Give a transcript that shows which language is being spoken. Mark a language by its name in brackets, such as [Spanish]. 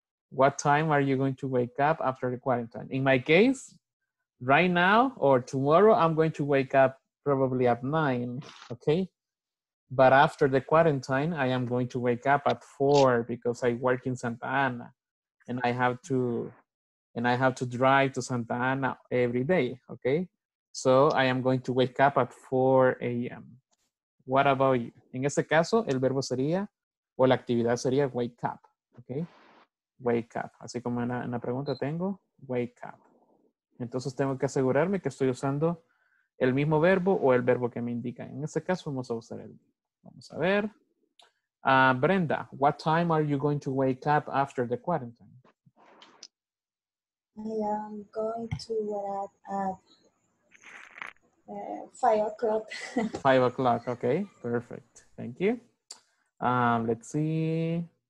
[English] What time are you going to wake up after the quarantine? In my case, right now or tomorrow, I'm going to wake up probably at 9. Okay. But after the quarantine, I am going to wake up at 4 because I work in Santa Ana and I have to drive to Santa Ana every day, okay? So I am going to wake up at 4 a.m. What about you? [Spanish] En este caso, el verbo sería, o la actividad sería wake up, okay? Wake up. Así como en la pregunta tengo, wake up. Entonces tengo que asegurarme que estoy usando el mismo verbo o el verbo que me indica. En este caso vamos a usar el mismo. Vamos a ver. [English] Brenda, what time are you going to wake up after the quarantine? I am going to wake up at 5 o'clock. 5 o'clock, okay, perfect. Thank you. Let's see.